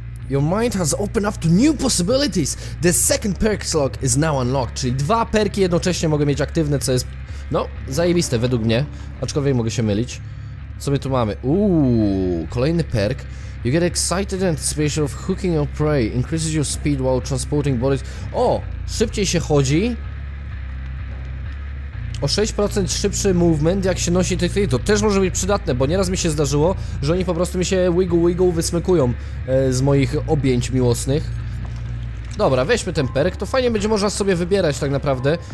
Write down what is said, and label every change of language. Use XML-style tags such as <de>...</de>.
<en>Your mind has opened up to new possibilities. The second perk slot is now unlocked.</en> <pl>Czyli dwa perki jednocześnie mogę mieć aktywne, co jest, no, zajebiste według mnie. Aczkolwiek mogę się mylić. Co my tu mamy? Kolejny perk.</pl> <en>You get excited in anticipation of hooking your prey. Increases your speed while transporting bodies.</en> <pl>O! Szybciej się chodzi. O 6% szybszy movement, jak się nosi tych, to też może być przydatne, bo nieraz mi się zdarzyło, że oni po prostu mi się wiggle wysmykują z moich objęć miłosnych. Dobra, weźmy ten perk, to fajnie będzie można sobie wybierać tak naprawdę.</pl>